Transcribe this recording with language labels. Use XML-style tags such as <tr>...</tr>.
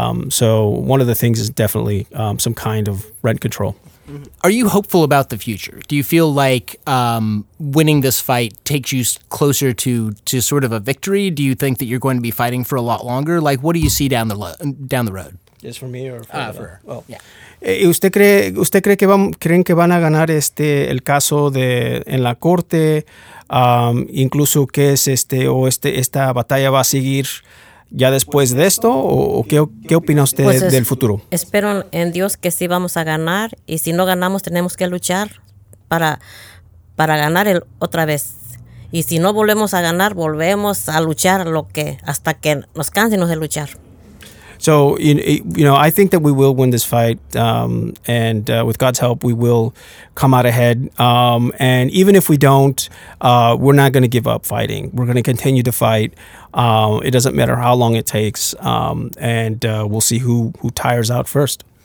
<en>So one of the things is definitely some kind of rent control. Are you hopeful about the future? Do you feel like winning this fight takes you closer to sort of a victory? Do you think that you're going to be fighting for a lot longer? Like, what do you see down the road? Just for me or for her? Well, yeah.</en> <es>¿Usted cree que creen que van a ganar el caso en la corte? Incluso qué es esta batalla va a seguir ya después de esto, o qué opina usted del futuro? Espero en Dios que sí vamos a ganar, y si no ganamos tenemos que luchar para ganar otra vez, y si no volvemos a ganar volvemos a luchar hasta que nos cansemos de luchar.</es> <en>So I think that we will win this fight, with God's help we will come out ahead, and even if we don't, we're not going to give up fighting. We're going to continue to fight. It doesn't matter how long it takes, we'll see who tires out first.</en>